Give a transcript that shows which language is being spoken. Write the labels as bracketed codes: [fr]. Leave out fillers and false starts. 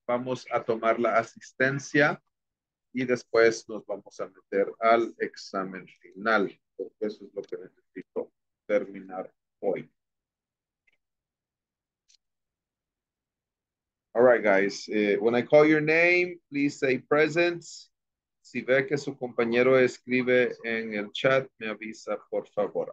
[es] Vamos a tomar la asistencia y después nos vamos a meter al examen final. Porque eso es lo que necesito terminar hoy. [en] All right, guys. When I call your name, please say presence. [es] Si ve que su compañero escribe en el chat, me avisa, por favor.